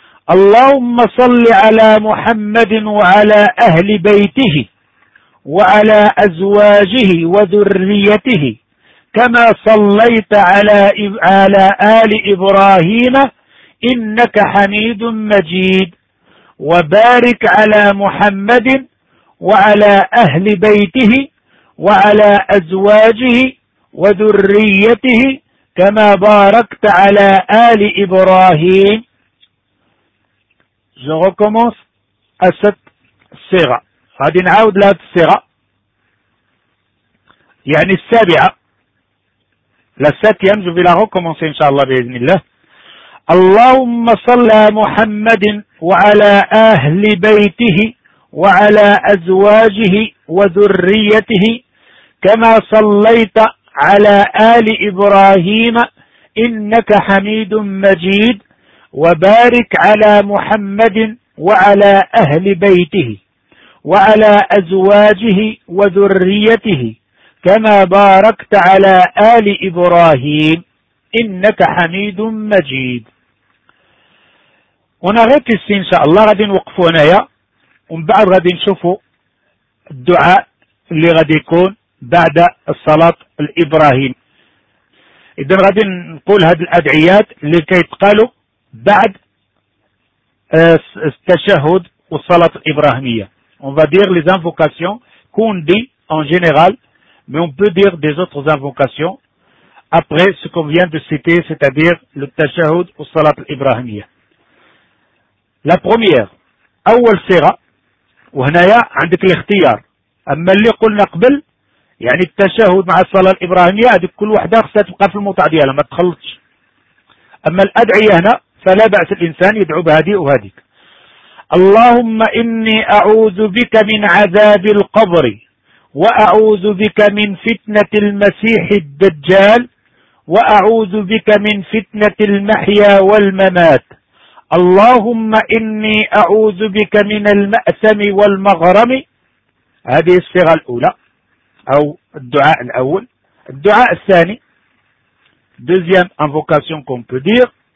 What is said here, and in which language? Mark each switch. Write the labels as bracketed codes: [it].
[ar] اللهم صل على محمد وعلى أهل بيته وعلى أزواجه وذريته كما صليت على آل إبراهيم إنك حميد مجيد وبارك على محمد وعلى أهل بيته وعلى أزواجه وذريته كما باركت على آل إبراهيم. [fr] Je recommence à cette صيغة. [ar] غادي نعاود لهاد الصيغة. يعني السابعة. [fr] La septième, je vais la recommencer, inshallah, [ar] بإذن الله. اللهم صل على محمد وعلى أهل بيته وعلى أزواجه وذريته كما صليت على آل إبراهيم إنك حميد مجيد، وبارك على محمد وعلى أهل بيته وعلى أزواجه وذريته كما باركت على آل إبراهيم إنك حميد مجيد. ونغيك السين إن شاء الله غادي نوقفوا هنايا، ومن بعد غادي نشوفوا الدعاء اللي غادي يكون بعد الصلاة الإبراهيم. إذن غادي نقول هذه الأدعيات لكي يتقالوا بعد التشهد والصلاة الإبراهيمية. [fr] On va dire les invocations qu'on dit en général, mais on peut dire des autres invocations après ce qu'on vient de citer, c'est-à-dire le Tashahud ou Salat al-Ibrahimiyya. La première, [ar] أول سيرة، وهنايا عندك الاختيار. أما اللي قلنا قبل، يعني التشهد مع الصلاة الإبراهيمية، هذه كل واحدة خصها تبقى في الموضع ديالها، ما تخلطش. أما الأدعية هنا، فلا بأس الإنسان يدعو بهذه وهذيك. اللهم إني أعوذ بك من عذاب القبر وأعوذ بك من فتنة المسيح الدجال وأعوذ بك من فتنة المحيا والممات. اللهم إني أعوذ بك من المأثم والمغرم. هذه الصيغة الأولى أو الدعاء الأول. الدعاء الثاني [fr] deuxième invocation qu'on peut dire.